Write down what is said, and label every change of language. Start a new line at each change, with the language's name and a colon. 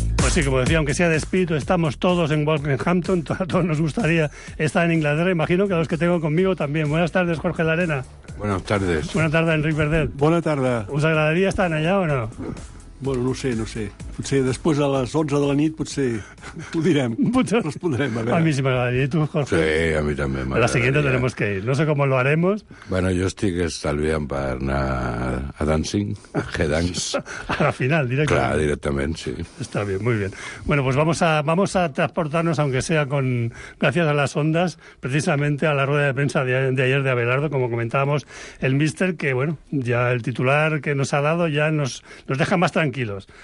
Spanish: Pues sí, como decía, aunque sea de espíritu, estamos todos en Wolverhampton. Todos nos gustaría estar en Inglaterra. Imagino que a los que tengo conmigo también. Buenas tardes, Jorge Larena. Buenas tardes. Buenas tardes, Enric Verdel. Buenas tardes. ¿Os agradaría estar allá o no? Bueno, no sé, no sé.
Catalan: Potser després a les 11 de la nit, potser ho direm. Potser... Respondrem, a mi sí m'agradaria, tu, Jorge. Sí, a mi també m'agradaria.
Spanish: La siguiente tenemos que ir. No sé cómo lo haremos.
Catalan: Bueno, jo estic estalviant per anar a Dancing, a G-Dance. A la final, directament. Clar, directament, sí.
Spanish: Está bien, muy bien. Bueno, pues vamos a transportarnos, aunque sea con... Gracias a las ondas, precisamente a la rueda de prensa de ayer de Abelardo, como comentábamos, el míster, que, bueno, ya el titular que nos ha dado ya nos deja más tranquilos. Tranquilos.